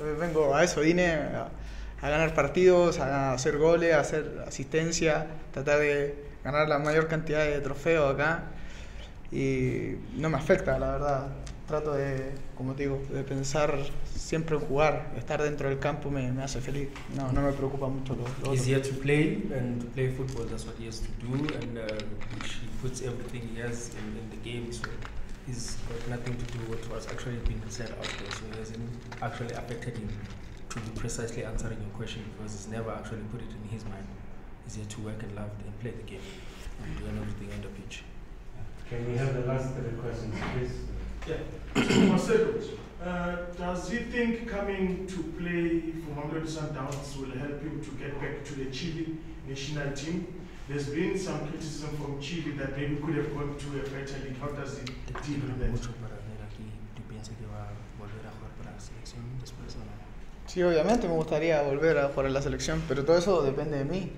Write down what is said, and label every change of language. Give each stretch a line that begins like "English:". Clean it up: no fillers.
Spanish: Vengo a eso, vine a ganar partidos, a hacer goles, a hacer asistencia, tratar de ganar la mayor cantidad de trofeos acá. Y no me afecta, la verdad. Trato de, como te digo, de pensar siempre en jugar. Estar dentro del campo me hace feliz. No, no me preocupa mucho lo otro.
English: He's here to play and to play football. That's what he has to do. And he puts everything he has in the game. So he's got nothing to do with what's actually been said out there. So it hasn't actually affected him to be precisely answering your question, because he's never actually put it in his mind. He's here to work and love and play the game and do everything on the pitch. Can we have the last three questions, please? Yeah. Marcelo, does he think coming to play for Mamelodi Sundowns will help him to get back to the Chile national team? There's been some criticism from Chile that maybe could have gone to a better league. How does he deal with that?
Spanish: Mucho para ver aquí. ¿Tú piensas que va a volver a jugar para la selección después o no? Sí, obviamente me gustaría volver a jugar en la selección, pero todo eso depende de mí.